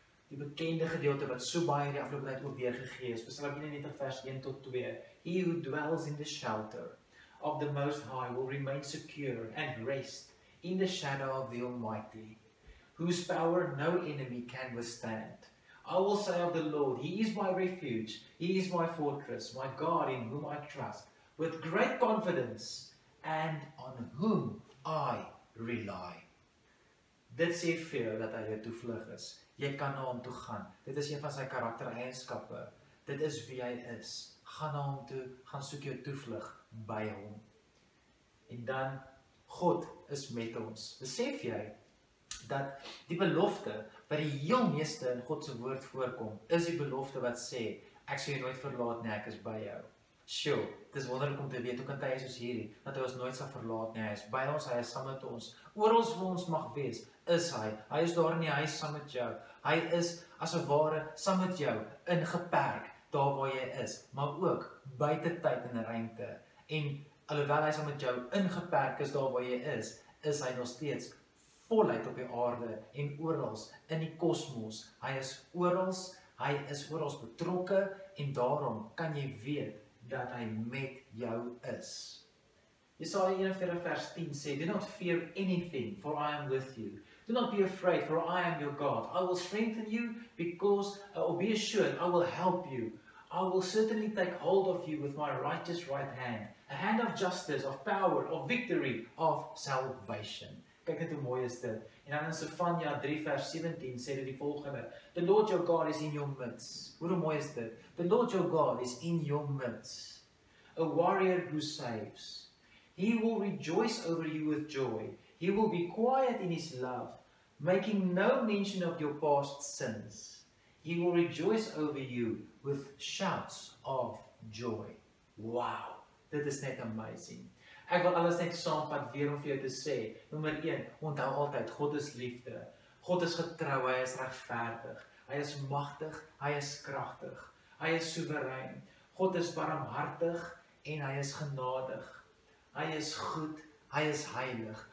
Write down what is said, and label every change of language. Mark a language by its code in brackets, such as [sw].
[af] Die bekende gedeelte wat so baie die afgelope tyd ook weergegee is, Psalm 91 vers 1 tot 2. [en] He who dwells in the shelter of the Most High will remain secure and rest in the shadow of the Almighty, whose power no enemy can withstand. I will say of the Lord, he is my refuge, he is my fortress, my God in whom I trust, with great confidence and on whom I rely. [af] Dit sê vir jou dat hy jou toevlug is. Jy kan na hom toe gaan. Dit is een van sy karaktereienskappe. Dit is wie hy is. Gaan na hom toe, gaan soek jou toevlug by hom. En dan, God is met ons. Besef jy dat die belofte wat die heel meeste in God se woord voorkom, is die belofte wat sê, ek sal jou nooit verlaat nie, ek is by jou. Sjoe, het is wonderlik om te weet, hoe kan hy soos hierdie, dat hy ons nooit sal verlaat nie, hy is by ons, hy is saam met ons, oral waar ons mag wees, is hy, hy is daar nie, hy is saam met jou, hy is as een ware saam met jou, in geperk, daar waar jy is, maar ook buiten tyd en ruimte, en alhoewel hy saam met jou in geperk is daar waar jy is, is hy nog steeds voluit op die aarde, en oral in die kosmos, hy is oral betrokke, en daarom kan jy weet, dat hy met jou is. Jesaja 41 vers 10 sê, [en] do not fear anything, for I am with you. Do not be afraid, for I am your God. I will strengthen you, be assured, I will help you. I will certainly take hold of you with my righteous right hand, a hand of justice, of power, of victory, of salvation. [af] Kijk net hoe mooi is dit. En dan in Sefanja 3 vers 17 sê dit die volgende, [en] the Lord your God is in your midst. [af] Hoe mooi is dit? [en] The Lord your God is in your midst, a warrior who saves. He will rejoice over you with joy. He will be quiet in his love, making no mention of your past sins. He will rejoice over you with shouts of joy. [af] Wow, dit is net amazing. Ek wil alles net saamvat weer om vir jou te sê. Nummer 1, onthou altyd, God is liefde. God is getrou, hy is regverdig. Hy is magtig, hy is kragtig. Hy is soeverein. God is barmhartig en hy is genadig. Hy is goed, hy is heilig.